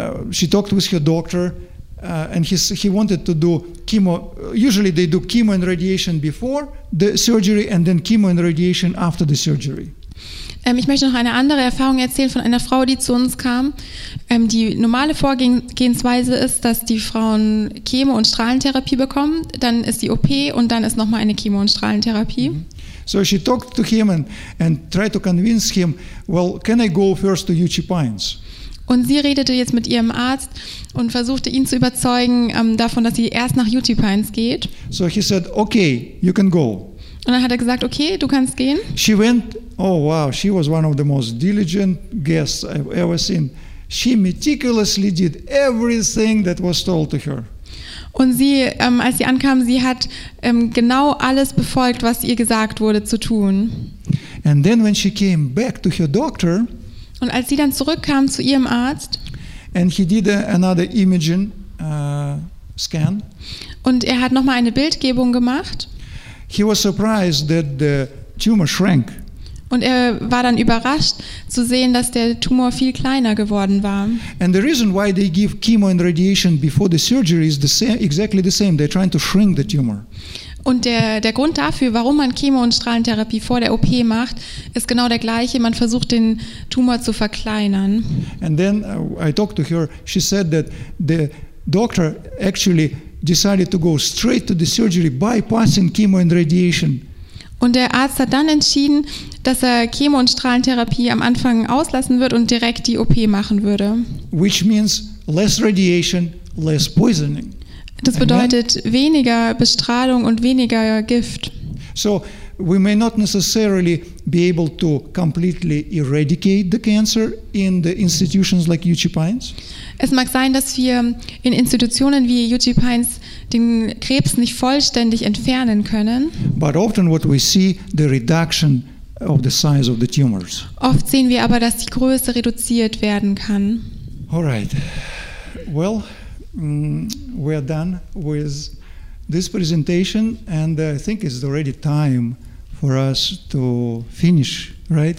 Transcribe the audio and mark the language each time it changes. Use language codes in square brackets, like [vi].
[en] She talked with her doctor, and he wanted to do chemo. Usually, they do chemo and radiation before the surgery, and then chemo and radiation after the surgery. [de] Ich möchte noch eine andere Erfahrung erzählen von einer Frau, die zu uns kam. Die normale Vorgehensweise ist, dass die Frauen Chemo- und Strahlentherapie bekommen, dann ist die OP und dann ist nochmal eine Chemo- und Strahlentherapie. [en] So she talked to him and tried to convince him, well, can I go first to UC Pines? [de] Und sie redete jetzt mit ihrem Arzt und versuchte ihn zu überzeugen davon, dass sie erst nach UC Pines geht. [en] So he said, okay, you can go. [de] Und dann hat gesagt, okay, du kannst gehen. [en] She went, oh wow, she was one of the most diligent guests I've ever seen. She meticulously did everything that was told to her. [de] Und sie, als sie ankam, sie hat genau alles befolgt, was ihr gesagt wurde zu tun. [en] And then when she came back to her doctor, [de] und als sie dann zurückkam zu ihrem Arzt, [en] and he did another imaging scan, [de] und er hat nochmal eine Bildgebung gemacht, [en] he was surprised that the tumor shrank. [de] Und er war dann überrascht zu sehen, dass der Tumor viel kleiner geworden war. [en] And the reason why they give chemo and radiation before the surgery is the same, exactly the same. They're trying to shrink the tumor. [de] Und der Grund dafür, warum man Chemo- und Strahlentherapie vor der OP macht, ist genau der gleiche. Man versucht, den Tumor zu verkleinern. [en] And then I talked to her. She said that the doctor actually decided to go straight to the surgery, bypassing chemo and radiation. [de] Und der Arzt hat dann entschieden, dass er Chemo- und Strahlentherapie am Anfang auslassen wird und direkt die OP machen würde. [en] Which means less radiation, less poisoning. [de] Das bedeutet weniger Bestrahlung und weniger Gift. [en] So, we may not necessarily be able to completely eradicate the cancer in the institutions like UC Pines. [de] Es mag sein, dass wir in Institutionen wie UC Pines den Krebs nicht vollständig entfernen können. [en] But often what we see, the reduction of the size of the tumors. [de] Oft sehen wir aber, dass die Größe reduziert werden kann. [en] All right. Well, we're done with this presentation, and I think it's already time for us to finish, right?